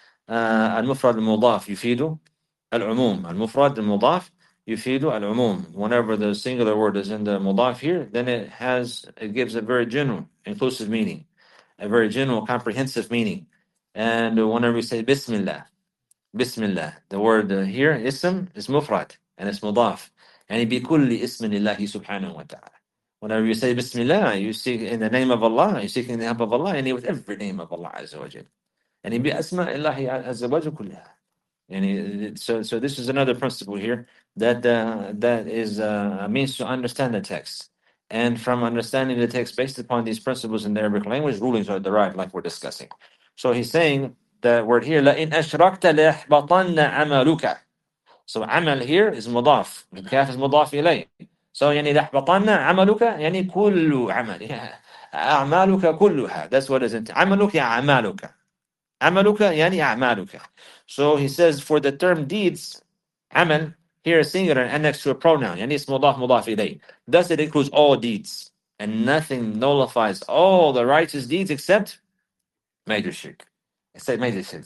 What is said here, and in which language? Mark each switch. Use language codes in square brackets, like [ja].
[ar] المفرد المضاف يفيد العموم. المفرد المضاف يفيد العموم. [en] Whenever the singular word is in the مضاف here, then it gives a very general, inclusive meaning, a very general, comprehensive meaning. And whenever we say Bismillah, Bismillah, the word here, ism, is مفرد and it's مضاف. [ar] يعني بكل اسم الله سبحانه وتعالى. [en] Whenever you say Bismillah, you seek in the name of Allah, you seek in the help of Allah, and with every name of Allah Azza wa Jal. And [ar] bi asma Allah Azza wa Jal kulliha. [en] So this is another principle here that is a means to understand the text. And from understanding the text based upon these principles in the Arabic language, rulings are derived, like we're discussing. So he's saying the word here, [ar] لَإِنْ أَشْرَكْتَ لَيَحْبَطَنَّ عَمَلُكَ. [en] So amal here is mudaf. Kaf is mudaf ilay. [ar] So يعني لحبطنا عملك يعني كل عمل أعمالك كلها. [en] That's what is it. [ar] عملك يعني أعمالك. عملك يعني أعمالك. [en] So he says for the term deeds, عمل here is singular and next to a pronoun. [ar] يعني اسم مضاف مضاف إليه. [en] Thus it includes all deeds and nothing nullifies all the righteous deeds except major shirk. It said major shirk.